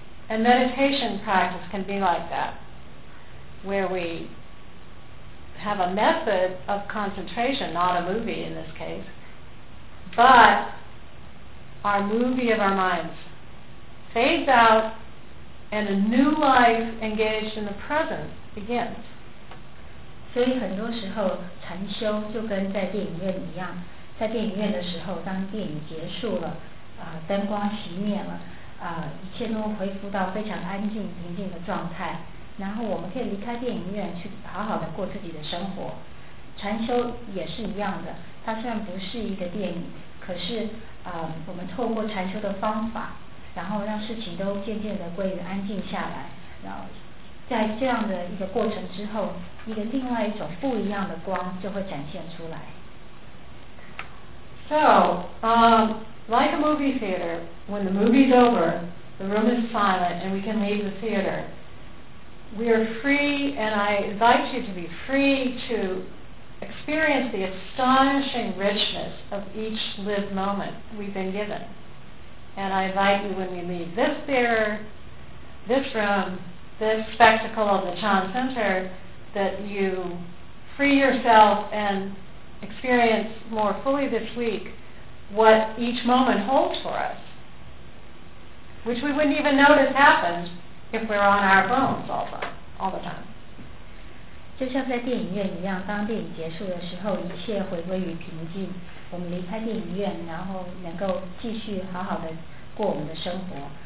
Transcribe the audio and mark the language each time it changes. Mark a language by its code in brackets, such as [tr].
[en] And meditation practice can be like that, where we have a method of concentration, not a movie in this case, but our movie of our minds fades out and a new life engaged in the present begins. [zh] 所以很多时候禅修就跟在电影院一样，在电影院的时候，当电影结束了，灯光熄灭了，一切都恢复到非常安静平静的状态，然后我们可以离开电影院去好好的过自己的生活。禅修也是一样的，它虽然不是一个电影，可是我们透过禅修的方法，然后让事情都渐渐的归于安静下来，然后在这样的一个过程之后，一个另外一种不一样的光就会展现出来。 [en] So, like a movie theater, when the movie's over, the room is silent and we can leave the theater. We are free, and I invite you to be free to experience the astonishing richness of each lived moment we've been given. And I invite you, when we leave this theater, this room, this spectacle of the Chan Center, that you free yourself and experience more fully this week what each moment holds for us, which we wouldn't even notice happened if we're on our phones all the time. [zh] 就像在电影院一样，当电影结束的时候，一切回归于平静。我们离开电影院，然后能够继续好好的过我们的生活。